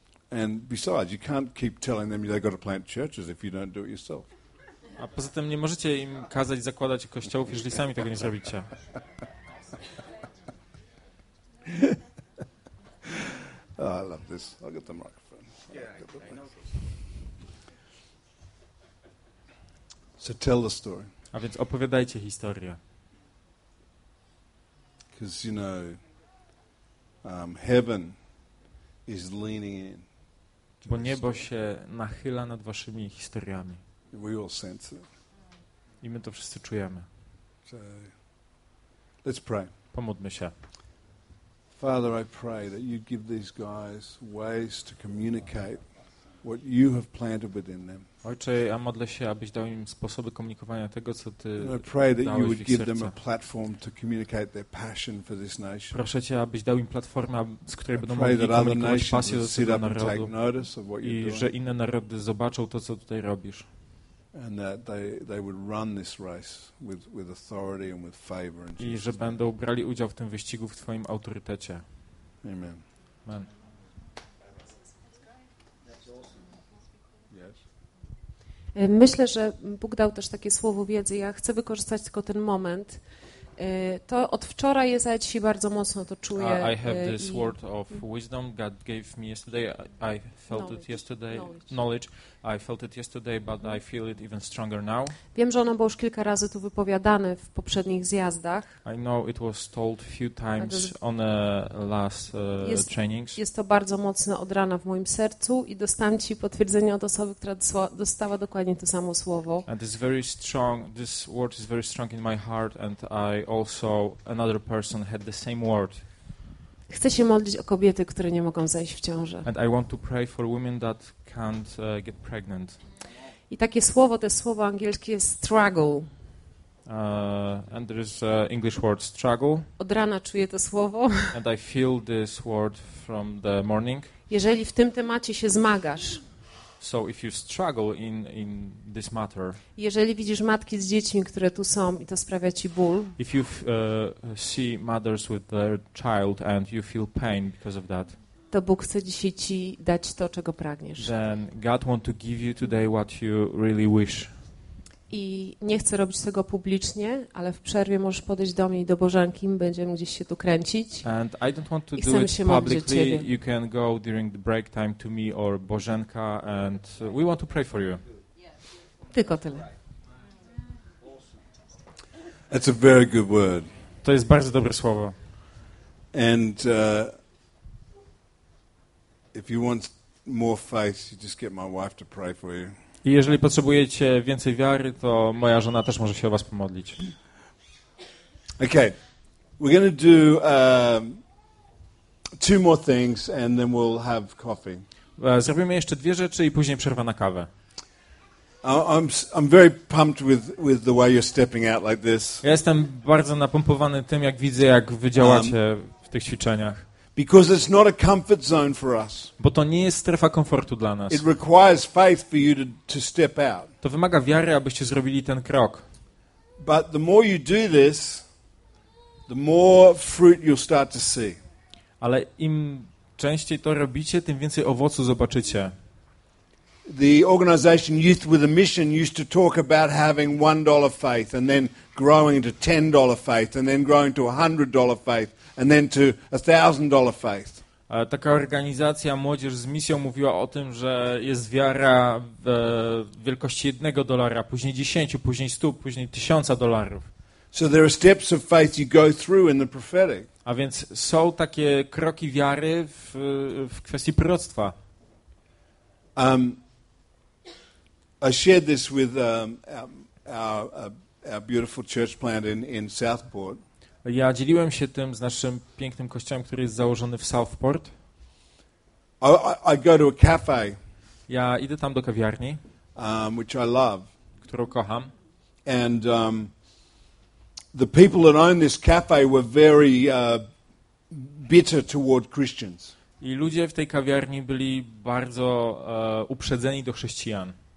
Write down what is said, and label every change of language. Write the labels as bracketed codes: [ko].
[en] And besides, you can't keep telling them they've got to plant churches if you don't do it yourself. [pl] A poza tym nie możecie im kazać zakładać kościołów, jeżeli sami tego nie zrobicie. [en] Oh, I love this. I'll get the microphone. So tell the story. [pl] A więc opowiadajcie historię. [en] Because you know, heaven is leaning in. [pl] Bo niebo się nachyla nad waszymi historiami. [en] We all sense it. [pl] I my to wszyscy czujemy. [en] So, let's pray. [pl] Pomódlmy się. [en] Father, I pray that you give these guys ways to communicate what you have planted within them. [pl] Ojcze, ja modlę się, abyś dał im sposoby komunikowania tego, co ty dałeś w ich serce. [en] I pray that you would give them a platform to communicate their passion for this nation. [pl] Proszę cię, abyś dał im platformę, z której będą mogli komunikować pasję do tego narodu. I że inne narody zobaczą to, co tutaj robisz. [en] And that they would run this race with authority and with favor and [pl] I że będą brali udział w tym wyścigu w twoim autorytecie. [en] Amen. Amen. [pl] Myślę, że Bóg dał też takie słowo wiedzy. Ja chcę wykorzystać tylko ten moment. To od wczoraj jest, ale dzisiaj bardzo mocno to czuję. [en] I have this word of wisdom God gave me yesterday. I felt it yesterday. Knowledge. I felt it yesterday, but I feel it even stronger now. [pl] Wiem, że ono było już kilka razy tu wypowiadane w poprzednich zjazdach. [en] I know it was told few times on the last trainings. [pl] Jest to bardzo mocne od rana w moim sercu i dostałam ci potwierdzenie od osoby, która dostała dokładnie to samo słowo. [en] And it's very strong. This word is very strong in my heart, and I also another person had the same word. [pl] Chcę się modlić o kobiety, które nie mogą zajść w ciążę. [en] And I want to pray for women that can't get pregnant. [pl] I takie słowo, to słowo angielskie struggle. [en] And there is English word struggle. [pl] Od rana czuję to słowo. [en] And I feel this word from the morning. [pl] Jeżeli w tym temacie się zmagasz. [en] So if you struggle in this matter. [pl] Jeżeli widzisz matki z dziećmi, które tu są i to sprawia ci ból. [en] If you see mothers with their child and you feel pain because of that. [pl] To Bóg chce dzisiaj ci dać to, czego pragniesz. [en] Then God want to give you today what you really wish. [pl] I nie chcę robić tego publicznie, ale w przerwie możesz podejść do mnie i do Bożanki, będziemy gdzieś się tu kręcić. [en] And I don't want to do it publicly. You can go during the break time to me or Bożanka and we want to pray for you. [pl] Tylko tyle. [en] That's a very good word. [pl] To jest bardzo dobre słowo. [en] And if you want more faith, you just get my wife to pray for you. [pl] I jeżeli potrzebujecie więcej wiary, to moja żona też może się o was pomodlić. [en] Okay. We're going to do two more things and then we'll have coffee. [pl] Zrobimy jeszcze dwie rzeczy i później przerwa na kawę. [en] I'm very pumped with the way you're stepping out like this. [pl] Ja jestem bardzo napompowany tym, jak widzę, jak wy działacie w tych ćwiczeniach. [en] Because it's not a comfort zone for us. [pl] Bo to nie jest strefa komfortu dla nas. [en] It requires faith for you to step out. [pl] To wymaga wiary, abyście zrobili ten krok. [en] But the more you do this, the more fruit you'll start to see. [pl] Ale im częściej to robicie, tym więcej owocu zobaczycie. [en] The organization Youth with a Mission used to talk about having $1 faith and then growing to $10 faith and then growing to $100 faith. And then to $1,000 faith. [pl] Taka organizacja Młodzież z Misją mówiła o tym, że jest wiara w wielkości $1, później 10, później 100, później $1,000. [en] So there are steps of faith you go through in the prophetic. [pl] A więc są takie kroki wiary w kwestii proroctwa. [en] I shared this with our beautiful church plant in Southport. [pl] Ja dzieliłem się tym z naszym pięknym kościołem, który jest założony w Southport. [en] I go to a cafe. [pl] Ja idę tam do kawiarni, [en] which I love, [pl] którą kocham. [en] And the people that own this cafe were very bitter toward Christians. [pl] I ludzie w tej kawiarni byli bardzo uprzedzeni do chrześcijan.